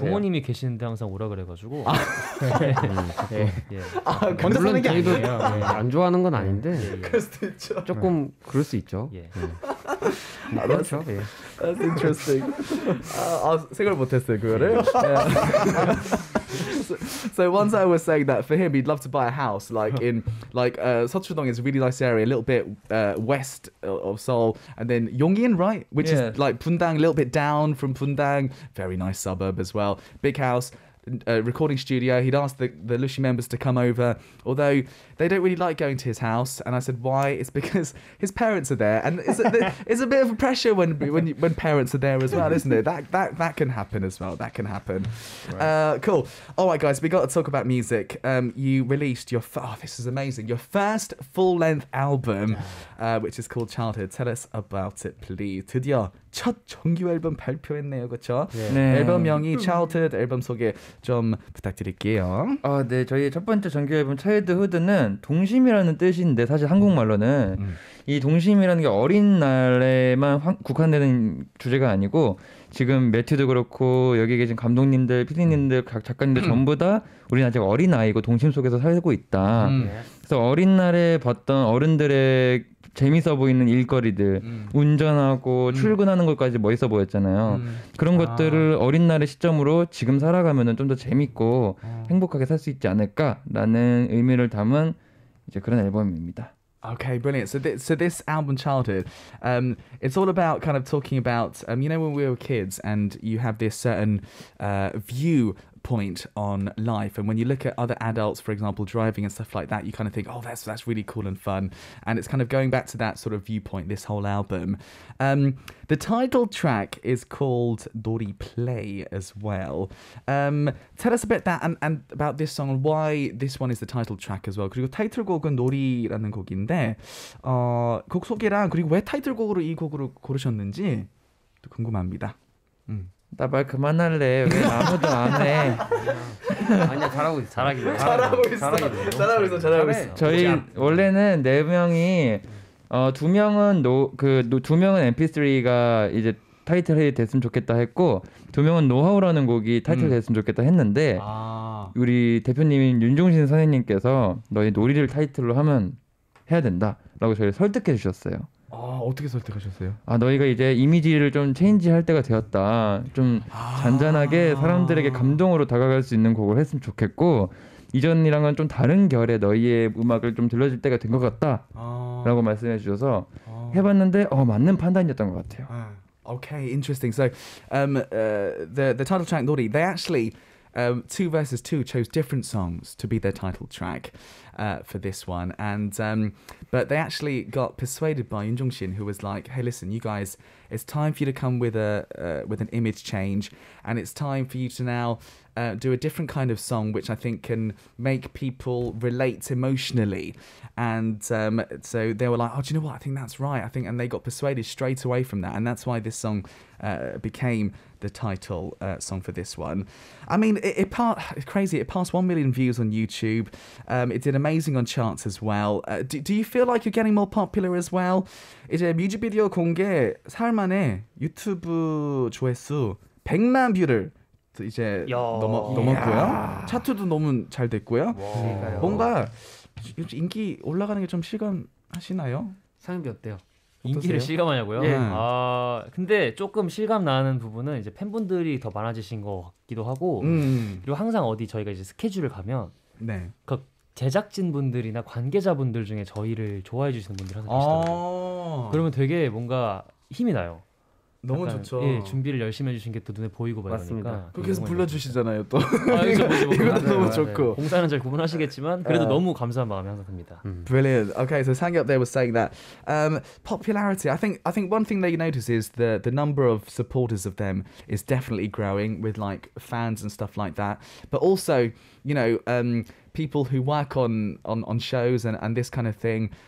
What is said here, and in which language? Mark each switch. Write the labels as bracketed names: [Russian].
[Korean] 부모님이 계시는데 항상 오라 그래가지고. 예. 예. 아, 물론 저희도 예. 안 좋아하는 건 아닌데. 그럴 수도 있죠. 조금 그럴 수 있죠. 예. 그렇죠. 예. [English] That's interesting. [Korean] 아, 생각을 못했어요 그거를. [English] So once I was saying that for him, he'd love to buy a house like in like Seocheol-dong is a really nice area, a little bit west of Seoul, and then Yongin, right, which is like Bundang, a little bit down from Bundang, very nice suburb as well. Big house, recording studio. He'd asked the Lushi members to come over, although they don't really like going to his house. And I said, why? It's because his parents are there, and it's a bit of a pressure when parents are there as well, isn't it? That can happen as well. That can happen. Right. Cool. All right, guys, we got to talk about music. You released your this is amazing. Your first full length album, which is called Childhood. Tell us about it, please. [Korean] 드디어 첫 정규 앨범 발표했네요, 그렇죠? 네. 앨범명이 Childhood. 앨범 소개 좀 부탁드릴게요. 아, 네, 저희 첫 번째 정규 앨범 Childhood는 동심이라는 뜻인데 사실 한국말로는 이 동심이라는 게 어린 날에만 국한되는 주제가 아니고 지금 매튜도 그렇고 여기 계신 감독님들, 피디님들, 작가님들 전부 다 우리는 아직 어린 아이고 동심 속에서 살고 있다. 그래서 어린 날에 봤던 어른들의 재밌어 보이는 일거리들, 운전하고 출근하는 것까지 멋있어 보였잖아요. 그런 것들을 어린 날의 시점으로 지금 살아가면은 좀 더 재밌고 행복하게 살 수 있지 않을까라는 의미를 담은 이제 그런 앨범입니다. [English] Okay, brilliant. So this album, Childhood, it's all about kind of talking about, you know, when we were kids and you have this certain view point on life. And when you look at other adults, for example, driving and stuff like that, you kind of think, oh, that's really cool and fun. And it's kind of going back to that sort of viewpoint, this whole album. The title track is called Dori Play as well. Tell us a bit that and about this song and why this one is the title track as well. [Korean] 그리고 타이틀곡은 놀이라는 곡인데 곡 소개랑 그리고 왜 타이틀곡으로 이 곡으로 고르셨는지 또 궁금합니다. 나 말 그만할래. 왜 아무도 안 해. 아니야, 잘하고 있어. 잘하기도. 잘하고 있어. 잘하기도. 잘하고 있어. 잘하고 있어. 저희 원래는 네 명이 두 명은 두 명은 MP3가 이제 타이틀이 됐으면 좋겠다 했고 두 명은 노하우라는 곡이 타이틀 됐으면 좋겠다 했는데 우리 대표님인 윤종신 선생님께서 너희 놀이를 타이틀로 하면 해야 된다라고 저희를 설득해 주셨어요. 어떻게 설득하셨어요? 아, 너희가 이제 이미지를 좀 체인지 할 때가 되었다. 좀 잔잔하게 사람들에게 감동으로 다가갈 수 있는 곡을 했으면 좋겠고 이전이랑은 좀 다른 결의 너희의 음악을 좀 들려줄 때가 된 것 같다. 라고 말씀해 주셔서 해봤는데 맞는 판단이었던 것 같아요. [English] Okay, interesting. So, the title track, Nori, they actually, two versus two, chose different songs to be their title track for this one. And but they actually got persuaded by Yun Jong-shin, who was like, hey, listen, you guys, it's time for you to come with an image change. And it's time for you to now do a different kind of song, which I think can make people relate emotionally. And so they were like, oh, do you know what? I think that's right. I think, and they got persuaded straight away from that. And that's why this song became the title song for this one. I mean, it's crazy. It passed 1 million views on YouTube. It did amazing on charts as well. Do you feel like you're getting more popular as well? [Korean] 이제 뮤직비디오 공개 사흘 만에 유튜브 조회수 100만 뷰를 이제 넘었고요. 차트도 너무 잘 됐고요. 뭔가 인기 올라가는 게 좀 실감하시나요? 상임비 어때요? 인기를 실감하냐고요? 예. 근데 조금 실감 나는 부분은 이제 팬분들이 더 많아지신 것 같기도 하고 그리고 항상 어디 저희가 이제 스케줄을 가면 네. 그 제작진 분들이나 관계자 분들 중에 저희를 좋아해 주시는 분들이 항상 계시더라고요. 그러면 되게 뭔가 힘이 나요. 너무 좋죠. 예, 준비를 열심히 해주신 게 또 눈에 보이고 말이니까. 맞습니다. 계속 불러주시잖아요, 또. 아, 이거 너무 좋고. 네. 공사는 잘 구분하시겠지만, 그래도 너무 감사한 마음이 항상 듭니다. [English] Brilliant. Okay, so Sang up there was saying that popularity. I think one thing that you notice is the number of supporters of them is definitely growing with like fans and stuff like that. But also, you know, people who work on shows and this kind of thing.